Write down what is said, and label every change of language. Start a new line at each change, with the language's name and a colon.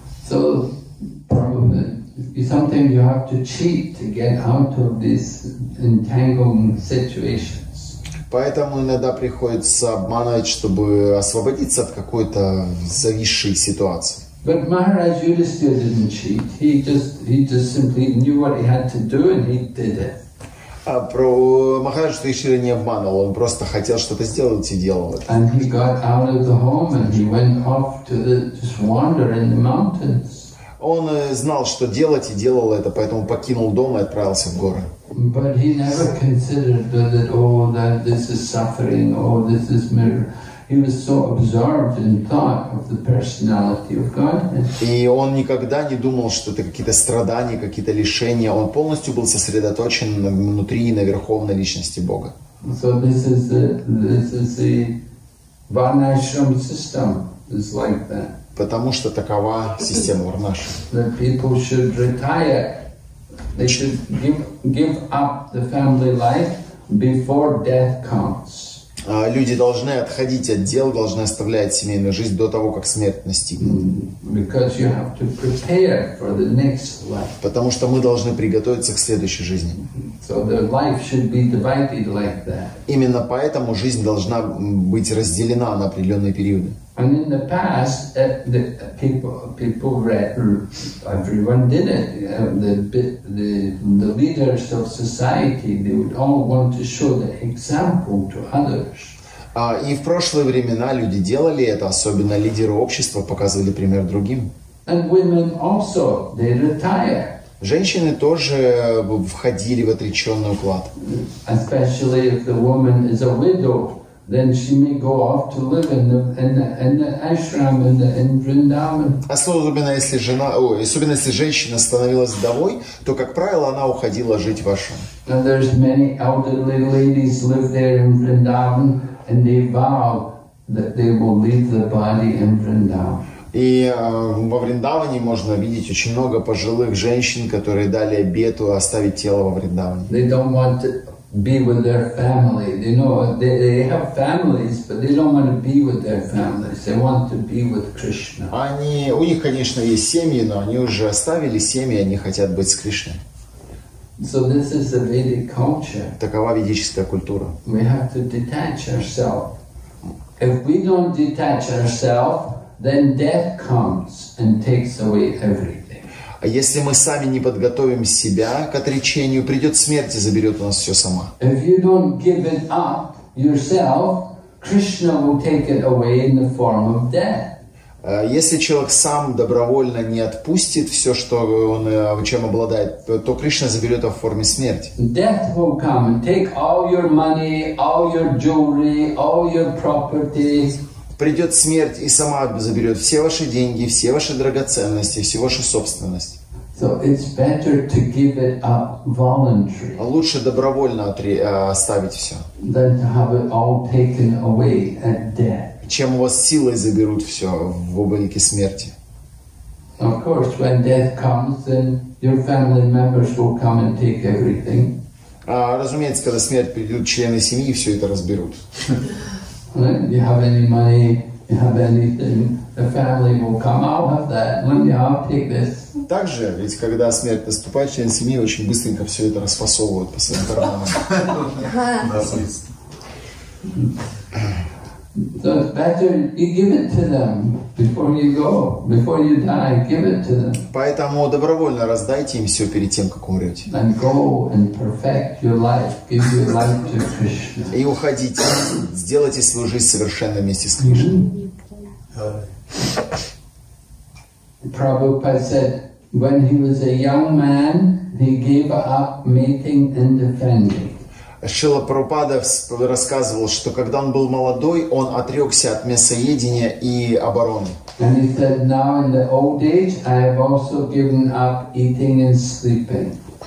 English: So, probably something you have to cheat to get out of these entangling situations.
Russian: Поэтому иногда приходится обманывать, чтобы освободиться от какой-то зависшей ситуации.
English: But Maharaj Yudhisthira didn't cheat. He just simply knew what he had to do and he did it.
Russian: Махарадж Юдхиштхира не обманывал, он просто хотел что-то сделать и делал это.
English: And he got out of the home and he went off to just wander in the mountains.
Russian: Он знал, что делать и делал это, поэтому покинул дом и отправился в горы.
English: But he never considered that this is suffering, oh, this is miracle. He was so absorbed in thought of the personality of God.
Russian: И он никогда не думал, что это какие-то страдания, какие-то лишения. Он полностью был сосредоточен внутри и на верховной личности Бога.
English: So this is the Varnashram system. It's like that.
Russian: Потому что такова система Варнаш.
English: That people should retire. They should give up the family life before death comes.
Russian: люди должны отходить от дел, должны оставлять семейную жизнь до того, как смерть настигнет.
English: Because you have to prepare for the next life.
Russian: Потому что мы должны приготовиться к следующей жизни.
English: So the life should be divided like that.
Russian: Именно поэтому жизнь должна быть разделена на определенные периоды.
English: And in the past, the people read, everyone did it. The leaders of society, they would all want to show the example to others.
Russian: И в прошлые времена люди делали это, особенно лидеры общества показывали пример другим.
English: And women also, they retire.
Russian: Женщины тоже входили в отреченный уклад.
English: Especially if the woman is a widow, then she may go off to live in the ashram in Vrindavan.
Russian: Особенно если женщина становилась вдовой, то как правило она уходила жить в ашрам.
English: And there's many elderly ladies live there in Vrindavan, and they vow that they will leave the body in Vrindavan.
Russian: И во Вриндаване можно видеть очень много пожилых женщин, которые дали обету оставить тело во Вриндаване.
English: They don't want to be with their family. They know they have families, but they don't want to be with their families. They want to be with Krishna.
Russian: Они, у них, конечно, есть семьи, но они уже оставили семьи, они хотят быть с Кришной.
English: So this is the Vedic culture.
Russian: Такова ведическая культура.
English: We have to detach ourselves. If we don't detach ourselves, then death comes and takes away everything.
Russian: А если мы сами не подготовим себя к отречению, придет смерть и заберет у нас все сама.
English: If you don't give it up yourself, Krishna will take it away in the form of death.
Russian: Если человек сам добровольно не отпустит все, что он чем обладает, то Кришна заберет его в форме смерти.
English: Death will come and take all your money, all your jewelry, all your property.
Russian: Придет смерть и сама заберет все ваши деньги, все ваши драгоценности, всю вашу собственность.
English: So it's better to give it up voluntarily.
Russian: Лучше добровольно оставить все.
English: Than to have it all taken away at death.
Russian: Чем у вас силой заберут все в облике смерти.
English: Of course, when death comes, then your family members will come and take everything.
Russian: Разумеется, когда смерть придет, члены семьи все это разберут.
English: You have any money, you have anything, the family will come, I'll have that, money, I'll take this.
Russian: Также, ведь когда смерть наступает, член семьи очень быстренько все это расфасовывают по своим карманам.
English: So it's better you give it to them before you go, before you die, give it to them.
Russian: Поэтому добровольно раздайте им все перед тем, как умрете.
English: And go and perfect your life, give your life to Krishna.
Russian: И уходите, сделайте свою жизнь совершенно вместе с Кришной.
English: Prabhupada said, when he was a young man, he gave up mating and defending.
Russian: Шрила Прабхупада рассказывал, что когда он был молодой, он отрекся от мясоедения и обороны.
English: And he said, now in the old age, I have also given up eating and sleeping.